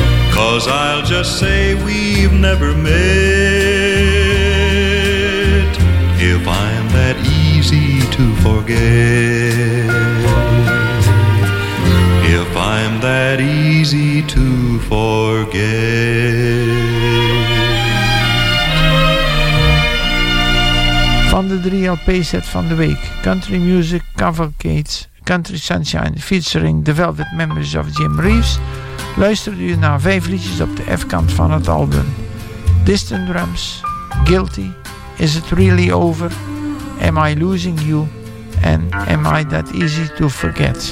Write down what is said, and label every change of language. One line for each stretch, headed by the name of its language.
English: 'Cause I'll just say we've never met if I'm that easy to forget. If I'm that easy to forget.
Dutch: Van de drie LP-set van de week, Country Music, Cavalcades, Country Sunshine, featuring The Velvet Memories of Jim Reeves, luisterde u naar vijf liedjes op de F-kant van het album.
English: Distant Drums, Guilty, Is It Really Over, Am I Losing You, and Am I That Easy to Forget.